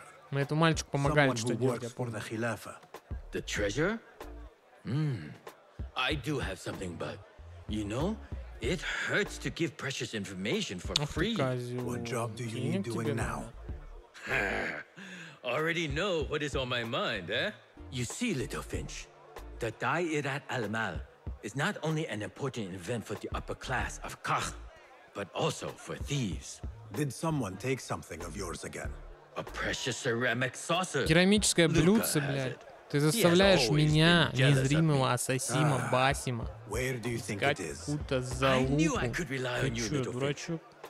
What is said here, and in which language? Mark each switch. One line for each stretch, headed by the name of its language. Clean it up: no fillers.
Russian: Мы этому мальчику помогали, что делать, я помню.
English: The treasure? Hmm. I do have something, but you know, it hurts to give precious information for free. What job do you need doing now? Already know what is on my mind, eh? You see, little Finch, the Dai Irat Al-Mal is not only an important event for the upper class of Kah, but also for thieves. Did someone take something of yours again? A precious ceramic saucer.
Russian: Керамическое блюдце, блядь. Ты заставляешь меня, незримого ассасима Басима, искать какую-то залупу. Ты чё, дурачок?